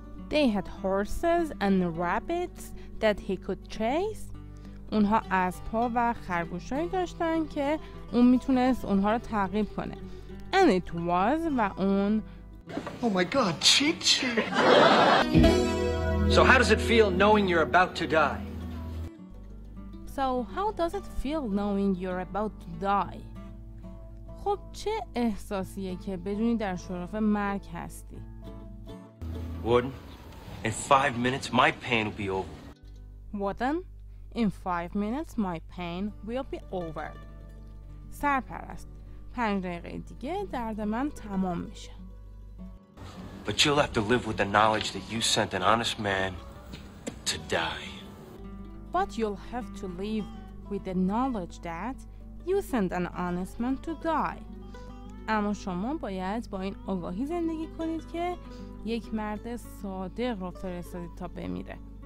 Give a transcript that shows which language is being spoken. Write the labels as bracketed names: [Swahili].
[English] They had horses and rabbits that he could chase. [Persian] اونها اسب‌ها و خرگوش‌هایی داشتن که اون میتونست اونها رو تعقیب کنه. [English] And it was [Persian] و اون [English] Oh my god, Chi-Chi. So how does it feel knowing you're about to die? So how does it feel knowing you're about to die? [Persian] خب چه احساسیه که بدونی در شرف مرگ هستی؟ [English] Warden, in 5 minutes my pain will be over. Warden, in 5 minutes my pain will be over. [Persian] سرپرست، 5 دقیقه دیگه درد من تمام میشه. [English] But you'll have to live with the knowledge that you sent an honest man to die. But you'll have to live with the knowledge that you sent an honest man to die. [Persian] اما شما باید با این آگاهی زندگی کنید که یک مرد صادق رو فرستادید تا بمیره.